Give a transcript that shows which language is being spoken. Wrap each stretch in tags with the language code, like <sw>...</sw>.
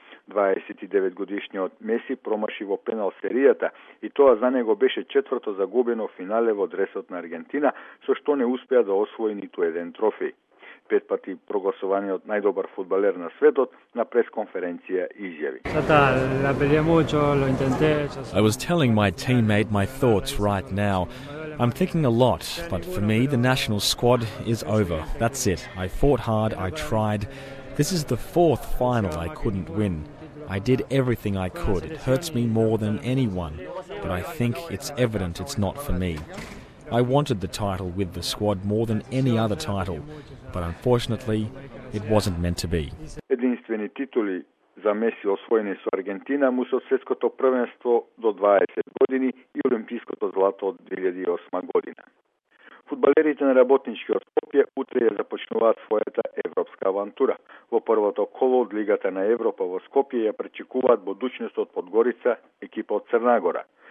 <mk>29-годишниот Меси промаши во пенал серијата и тоа за него беше четврто загубено финале во дресот на Аргентина, со што не успеа да освои ниту еден трофеј. Петпати прогласуваниот најдобар фудбалер на светот на пресконференција изјави.</mk> <en>I was telling my teammate my thoughts right now. I'm thinking a lot, but for me the national squad is over. That's it. I fought hard, I tried. This is the fourth final I couldn't win. I did everything I could. It hurts me more than anyone, but I think it's evident it's not for me. I wanted the title with the squad more than any other title, but unfortunately, it wasn't meant to be.</en> <mk>Единствени титули за Меси освоени со Аргентина му се светското првенство до 20 години и олимпиското злато од 2008 година. Фудбалерите на работничкиот Скопје утре ја започнуваат својата европска авантура. Во првото коло од Лигата на Европа во Скопје ја пречекуваат будучност од Подгорица, екипа од Црнагора.</mk>